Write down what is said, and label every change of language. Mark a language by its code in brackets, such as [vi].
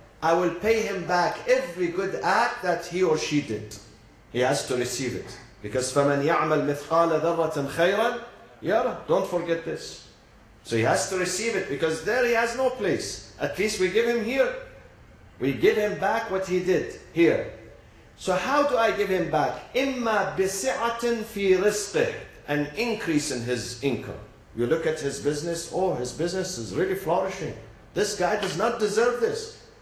[en] I will pay him back every good act that he or she did. He has to receive it. Because [ar] فمن يعمل مثقال ذرة خيرا يرى. [en] Don't forget this. So he has to receive it because there he has no place. At least we give him here. We give him back what he did here. So how do I give him back? [ar] إما بسعة في رزقه, [en] an increase in his income. You look at his business, oh, his business is really flourishing. This guy does not deserve this.